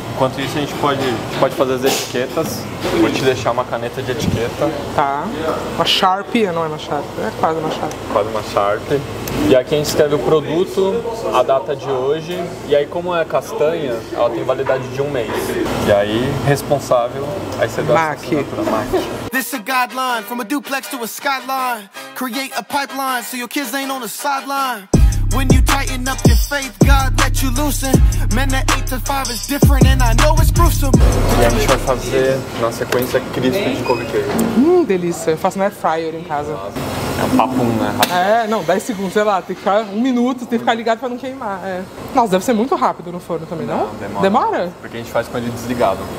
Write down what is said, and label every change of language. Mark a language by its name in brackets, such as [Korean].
[Portuguese] Enquanto isso, a gente pode fazer as etiquetas. Vou te deixar uma caneta de etiqueta. Tá. Uma Sharpie, não é uma Sharpie. É quase uma Sharpie. Quase uma Sharpie. E aqui a gente escreve o produto, a data de hoje. E aí, como é castanha, ela tem validade de um mês. E aí, responsável, aí você dá Mac. [English] A This a guideline, from a duplex to a skyline. Create a pipeline, so your kids ain't on the sideline. When you tighten up your faith, God let you loosen. Men that 8 to 5 is different and I know it's gruesome. [Portuguese] E a gente vai fazer na sequência crispy de couve queijo. Delícia, eu faço no air fryer em casa. É um papum, né? Rápido. É, não, 10 segundos, sei lá, tem que ficar um minuto, tem que ficar ligado pra não queimar. É. Nossa, deve ser muito rápido no forno também, não? Demora. Demora? Porque a gente faz com ele desligado.